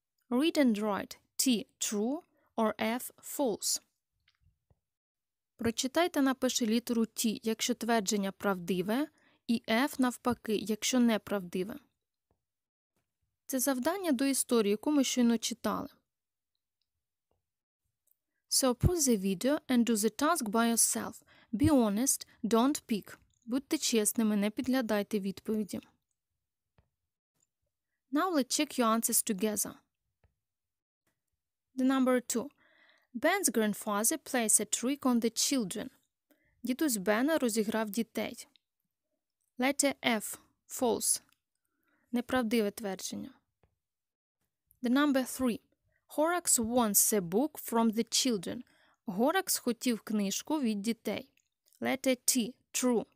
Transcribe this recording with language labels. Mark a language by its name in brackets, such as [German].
[English] Read and write T true or F false. [Ukrainian] Прочитай та напиши літеру T, якщо твердження правдиве, і F навпаки, якщо неправдиве. Це завдання до історії, яку ми щойно читали. [English] So pause the video and do the task by yourself. Be honest, don't peek. [Ukrainian] Будьте чесними, не підглядайте відповіді. [English] Now let's check your answers together. The number 2. Ben's grandfather plays a trick on the children. [Ukrainian] Дідусь Бена розіграв дітей. [English] Letter F. False. [Ukrainian] Неправдиве твердження. [English] The number 3. Horax wants a book from the children. [Ukrainian] Horax хотів книжку від дітей. [English] Letter T. True.